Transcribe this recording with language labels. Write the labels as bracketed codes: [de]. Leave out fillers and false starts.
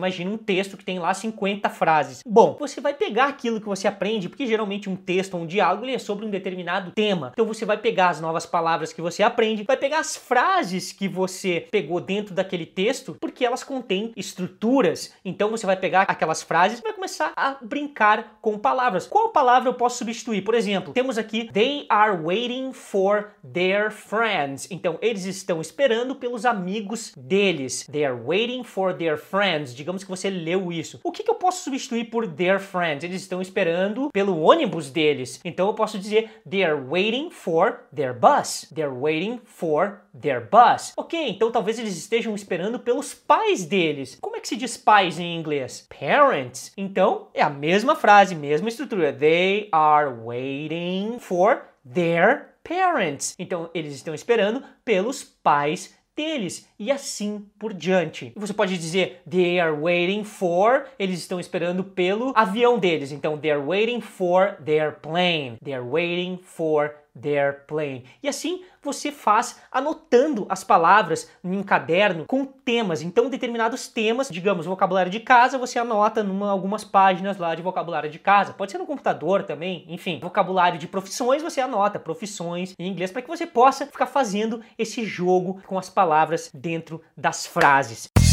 [pt] Imagina um texto que tem lá 50 frases. Bom, você vai pegar aquilo que você aprende, porque geralmente um texto ou um diálogo, ele é sobre um determinado tema. Então você vai pegar as novas palavras que você aprende, vai pegar as frases que você pegou dentro daquele texto, porque elas contêm estruturas. Então você vai pegar aquelas frases e vai começar a brincar com palavras. Qual palavra eu posso substituir? Por exemplo, temos aqui, [en] they are waiting for their friends. [pt] Então, eles estão esperando pelos amigos deles. [en] They are waiting for their friends. [pt] Digamos que você leu isso. O que eu posso substituir por [en] their friends? [pt] Eles estão esperando pelo ônibus deles. Então eu posso dizer [en] they are waiting for their bus. They are waiting for their bus. [pt] Ok, então talvez eles estejam esperando pelos pais deles. Como é que se diz pais em inglês? Parents. Então é a mesma frase, mesma estrutura. [en] They are waiting for their parents. [pt] Então eles estão esperando pelos pais deles e assim por diante. Você pode dizer [en] they are waiting for, [pt] eles estão esperando pelo avião deles. Então [en] they are waiting for their plane. They are waiting for their plane. [pt] E assim você faz anotando as palavras em um caderno com temas. Então determinados temas, digamos, vocabulário de casa, você anota em algumas páginas lá de vocabulário de casa. Pode ser no computador também, enfim. Vocabulário de profissões, você anota profissões em inglês para que você possa ficar fazendo esse jogo com as palavras dentro das frases.